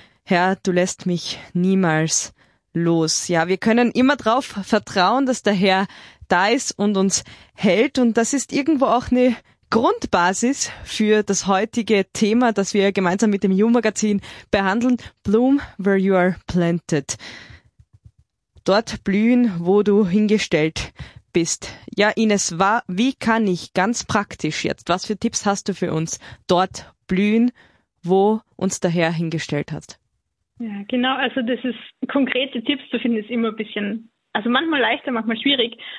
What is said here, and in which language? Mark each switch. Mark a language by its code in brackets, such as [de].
[de] Herr, du lässt mich niemals los. Ja, wir können immer darauf vertrauen, dass der Herr da ist und uns hält. Und das ist irgendwo auch eine Grundbasis für das heutige Thema, das wir gemeinsam mit dem You-Magazin behandeln. [en] Bloom where you are planted. [de] Dort blühen, wo du hingestellt bist. Ja, Ines, wie kann ich ganz praktisch jetzt, was für Tipps hast du für uns, dort blühen, wo uns der Herr hingestellt hat? Ja, genau, also das ist, konkrete Tipps zu finden ist immer ein bisschen, also manchmal leichter, manchmal schwierig.